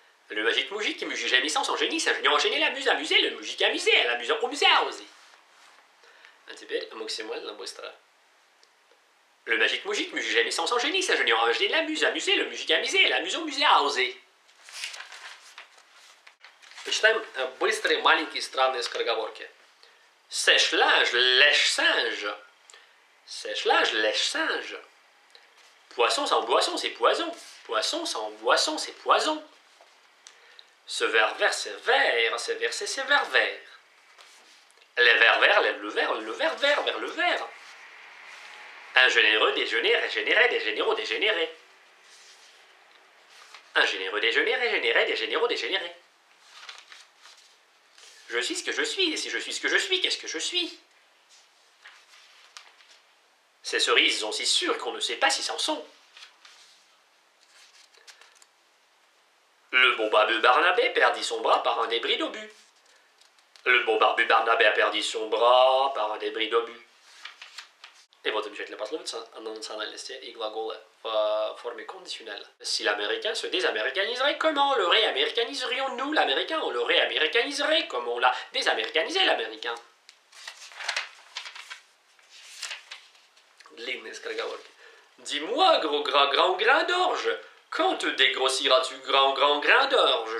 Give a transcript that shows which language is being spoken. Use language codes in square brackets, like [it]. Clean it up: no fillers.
[fr] Le magique Mougic, mugit gémissant sans génie, s'ingéniant à gêner la muse amusée, le Mougic a misé, la muse au musée a osé. Un petit peu, moxez-moi de la boosterait. Le magique Mougic, mugit gémissant sans génie, s'ingéniant à gêner la muse amusée, le Mougic a misé, la muse au musée a osé. [ru] Почитаем быстрые маленькие странные скороговорки. [fr] Sèche-linge, lèche-singe. Sèche-linge, lèche-singe. Poisson sans boisson, c'est poison. Poisson sans boisson, c'est poison. Ce verre vert, c'est vert. Ce verre, c'est vert vert. Les verres verts, lèvent le vert vert, vers le vert. Un généreux déjeuner, régénéré, des généraux dégénérés. Un généreux déjeuner, régénéré, des généraux dégénérés. Je suis ce que je suis, et si je suis ce que je suis, qu'est-ce que je suis? Ces cerises sont si sûres qu'on ne sait pas si c'en sont. Le bon barbu Barnabé perdit son bras par un débris d'obus. Le bon barbu Barnabé a perdu son bras par un débris d'obus. [ru] Et вот замечательная пословица о национальности и глаголы в форме кондиционнел. [fr] Si l'Américain se désaméricaniserait, comment le réaméricaniserions-nous l'Américain? On le réaméricaniserait comme on l'a désaméricanisé l'Américain. [ru] Длинные скороговорки. [fr] Dis-moi, gros grand grand grain d'orge, quand te dégrossiras-tu grand grand grain d'orge?